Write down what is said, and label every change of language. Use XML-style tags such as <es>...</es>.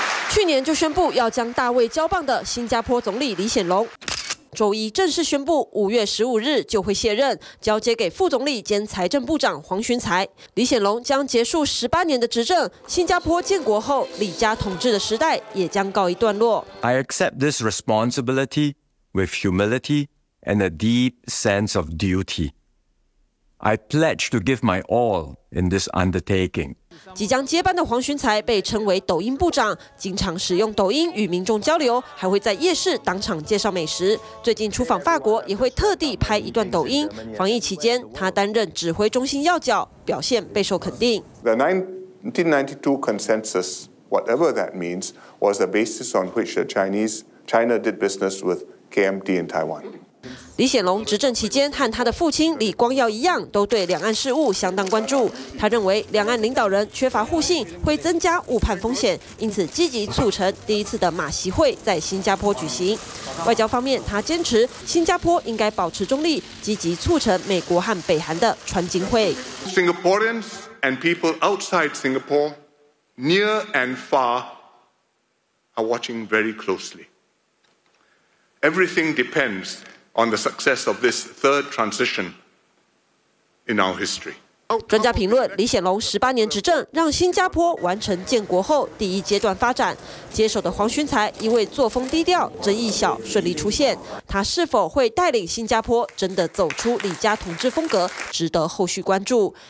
<zh>去年就宣布要将大位交棒的新加坡总理李显龙。周一正式宣布5月15日就会卸任，交接给副总理兼财政部长黄循财。李显龙将结束18年的执政，新加坡建国后李家统治的时代也将告一段落。</zh> <en>I accept this responsibility with humility and a deep sense of duty. I pledge to give my all in this undertaking.</en> <zh>即将接班的黄循财被称为抖音部长，经常使用抖音与民众交流，还会在夜市当场介绍美食。最近出访法国也会特地拍一段抖音。防疫期间，他担任指挥中心要角，表现备受肯定。</zh> <en>The 1992 consensus, whatever that means, was the basis on which the China did business with KMT in Taiwan.</en> <zh>李显龙执政期间和他的父亲李光耀一样，都对两岸事务相当关注。他认为两岸领导人缺乏互信会增加误判风险，因此积极促成第一次的马习会在新加坡举行。外交方面，他坚持新加坡应该保持中立，积极促成美国和北韩的川金会。</zh> <en>Singaporeans and people outside Singapore, near and far, are watching very closely. Everything depends. On the success of this third transition in our history.</en> <zh>专家评论，李显龙18年执政让新加坡完成建国后第一阶段发展。接手的黄循财因为作风低调、争议小，顺利出现。他是否会带领新加坡真的走出李家统治风格，值得后续关注。</zh>